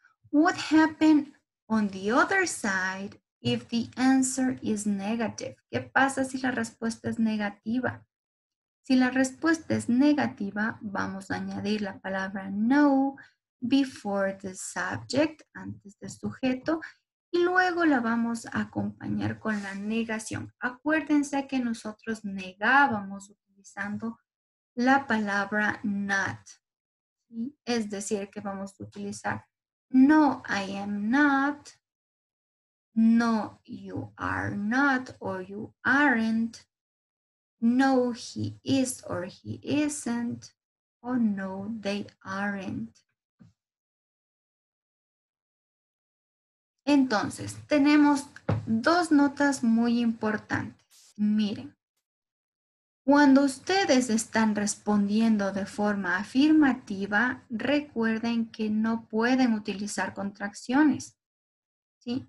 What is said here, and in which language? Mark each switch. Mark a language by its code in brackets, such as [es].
[en] What happened on the other side if the answer is negative? [es] ¿Qué pasa si la respuesta es negativa? Si la respuesta es negativa, vamos a añadir la palabra no [en] before the subject, [es] antes del sujeto, y luego la vamos a acompañar con la negación. Acuérdense que nosotros negábamos utilizando la palabra not. ¿Sí? Es decir, que vamos a utilizar [en] no, I am not, no, you are not, or you aren't, no, he is or he isn't, or no, they aren't. [es] Entonces, tenemos dos notas muy importantes. Miren, cuando ustedes están respondiendo de forma afirmativa, recuerden que no pueden utilizar contracciones. ¿Sí?